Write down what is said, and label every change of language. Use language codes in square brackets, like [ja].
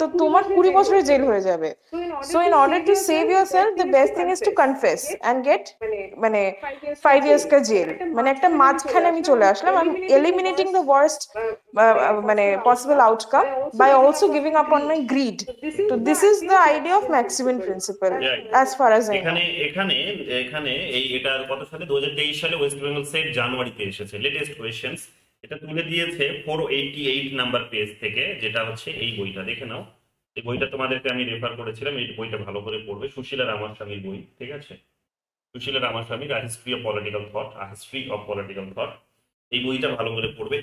[bn] তো তোমার 20 বছরের জেল হয়ে যাবে। [en] so in order to save yourself the best thing is to confess and get মানে 5 years কা jail, [bn] মানে একটা মাঝখানে আমি চলে আসলাম, [en] I am eliminating the worst মানে possible outcome by also giving up on my greed. So this is the idea of Maximin principle, as far as I [bn] এখানে এখানে এখানে এই এটা কত সালে, 2023 সালে ওয়েস্ট বেঙ্গল সেট জানুয়ারিতে এসেছে, লেটেস্ট কোয়েশ্চনস এটা তুলে দিয়েছে 488 নাম্বার পেজ থেকে, যেটা হচ্ছে এই বইটা, দেখে নাও এই বইটা তোমাদেরকে আমি রেফার করেছিলাম, এই বইটা ভালো করে পড়বে, সুশীলা রামাস্বামীর বই, ঠিক আছে, সুশীলা রামাস্বামীর আ history of political thought, a history of political thought, এই বইটা ভালো করে পড়বে।